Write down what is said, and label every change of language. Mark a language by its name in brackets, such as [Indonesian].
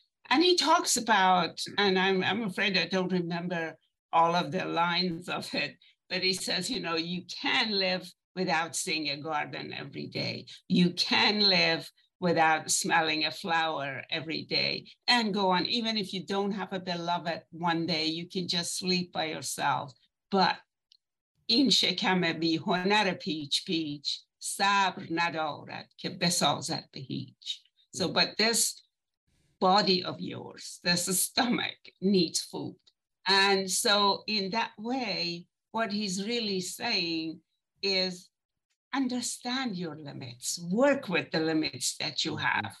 [English] And he talks about, and I'm afraid I don't remember all of the lines of it, but he says, you know, you can live without seeing a garden every day. You can live without smelling a flower every day, and go on. Even if you don't have a beloved one day, you can just sleep by yourself. [Persian] But این شکمه بی هنر پیچ پیچ صبر ندارد که بسازد به هیچ. [English] So, but this body of yours, this stomach needs food. And so in that way, what he's really saying is understand your limits, work with the limits that you have.